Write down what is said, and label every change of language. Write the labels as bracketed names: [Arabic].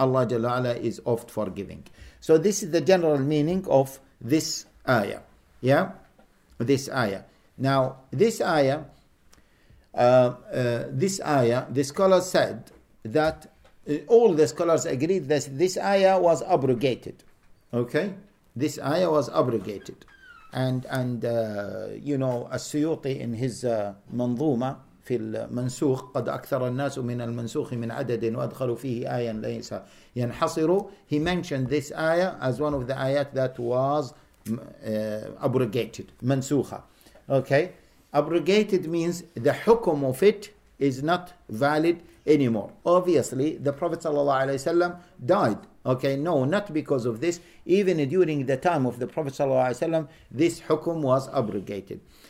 [English] Allah jalla ala is oft forgiving. So this is the general meaning of this ayah. Yeah? This ayah. Now, this ayah, the scholars said that, all the scholars agreed that this ayah was abrogated. Okay? This ayah was abrogated. And you know, As-Suyuti in his Manzuma, [Arabic] في المنسوخ قد أكثر الناس من المنسوخ من عدد وأدخلوا فيه آية ليس ينحصروا. [English] He mentioned this ayah as one of the ayat that was abrogated, منسوخة. Okay? Abrogated means the hukum of it is not valid anymore. Obviously, the Prophet sallallahu alaihi wasallam died. Okay, no, not because of this. Even during the time of the Prophet sallallahu alaihi wasallam, this hukum was abrogated.